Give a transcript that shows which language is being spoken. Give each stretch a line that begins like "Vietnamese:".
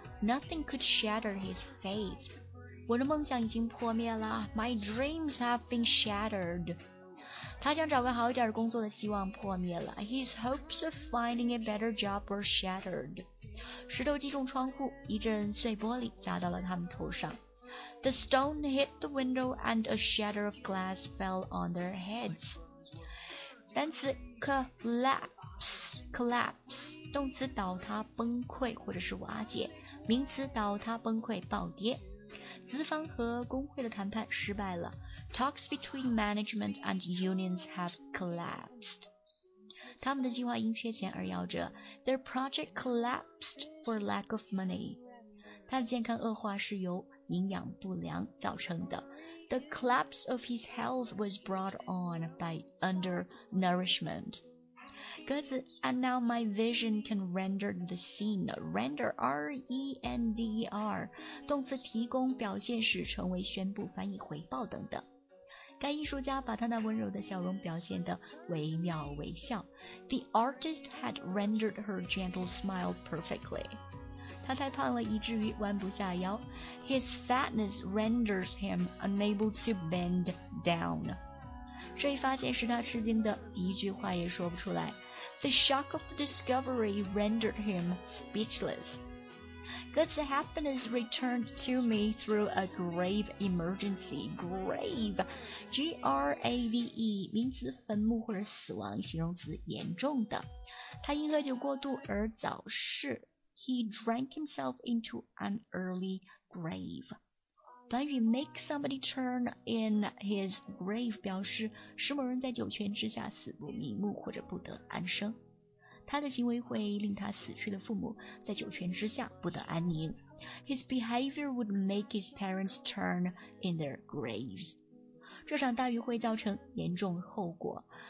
English: Nothing could shatter his faith.
Chinese: 我的梦想已经破灭了。
English: My dreams have been shattered.
Chinese: 他想找个好一点工作的希望破灭了。
English: His hopes of finding a better job were shattered.
Chinese: 石头击中窗户，一阵碎玻璃砸到了他们头上。
English: The stone hit the window and a shatter of glass fell on their heads.
Chinese: 单词 collapse, 动词倒塌崩溃或者是瓦解，名词倒塌崩溃暴跌。资方和工会的谈判失败了。
English: Talks between management and unions have collapsed.
Chinese: 他们的计划因缺钱而夭折。
English: Their project collapsed for lack of money.
Chinese: 他的健康恶化是由营养不良造成的。
English: The collapse of his health was brought on by undernourishment. 歌词 And now my vision can render the scene. Render, R-E-N-D-E-R.
Chinese: 动词提供表现使成为宣布翻译回报等等。该艺术家把他那温柔的笑容表现得惟妙惟肖。
English: The artist had rendered her gentle smile perfectly.
Chinese: 他太胖了，以至于弯不下腰。
English: His fatness renders him unable to bend down.
Chinese: 这一发现使他吃惊的一句话也说不出来。
English: The shock of the discovery rendered him speechless. 歌词 happiness returned to me through a grave emergency.
Chinese: Grave, G-R-A-V-E, 名词坟墓或者死亡，形容词严重的。他因喝酒过度而早逝。
English: He drank himself into an early grave.
Chinese: 短语
English: make somebody turn in his grave
Chinese: 表示使某人在九泉之下死不瞑目或者不得安生。他的行为会令他死去的父母在九泉之下不得安宁。
English: His behavior would make his parents turn in their graves.
Chinese: 这场大雨会造成严重后果。